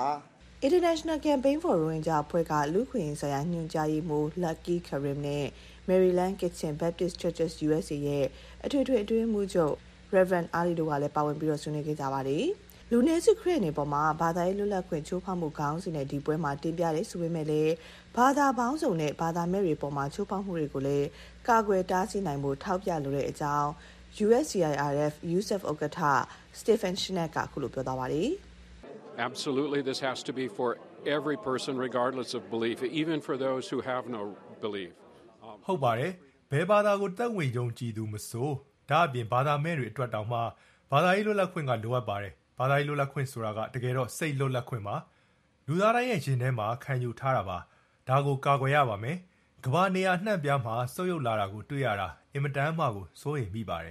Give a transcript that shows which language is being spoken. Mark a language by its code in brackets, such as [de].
[my] International Campaign for Rohingya အဖွဲ့ကလူခွင့်ဆိုင်ရာညွှန်ကြားရေးမှူး Lucky Karim နဲ့ Maryland Kitchen Baptist Churches USA ရဲ့အထွေထွေအတွင်းမှုချုပ် Reverend Ali တို့ကလည်းပါဝင်ပြီးတော့ဆွေးနွေးခဲ့ကြပါသည်လူနေစုခရစ်နေပေါ်မှာဘာသာရေးလွတ်လပ်ခွင့်ချိုးဖောက်မှုခေါင်းစဉ်နဲ့ဒီပွဲမှာတင်ပြရဲဆိုပေမဲ့လေဘာသာပေါင်းစုံနဲ့ဘာသာမဲ့တွေပေါ်မှာချိုးဖောက်မှုတွေကိုလည်းကာကွယ်တားဆီးနိုင်ဖို့ထောက်ပြလိုတဲ့အကြောင်း USCIRF Yusuf Ogata Stephen Schneck ကခုလိုပြောသွားပါတယ် [en] Absolutely this has to be for every person regardless of belief even for those who have no belief [my] ဟုတ်ပါတယ်ဘယ်ဘာသာကိုတတ်ဝင်ယုံကြည်သူမဆိုဒါအပြင်ဘာသာမဲ့တွေအတွက်တောင်မှဘာသာရေးလွတ်လပ်ခွင့်ကလိုအပ်ပါတယ်ဘာသာရေးလွတ်လပ်ခွင့်ဆိုတာကတကယ်တော့စိတ်လွတ်လပ်ခွင့်ပါလူသားတိုင်းရဲ့ရင်ထဲမှာခံယူထားတာပါဒါကိုကာကွယ်ရပါမယ်ကမ္ဘာနေရာနှံ့ပြားမှာဆုတ်ယုတ်လာတာကိုတွေ့ရတာအင်မတန်အမှားကိုစိုးရိမ်မိပါတယ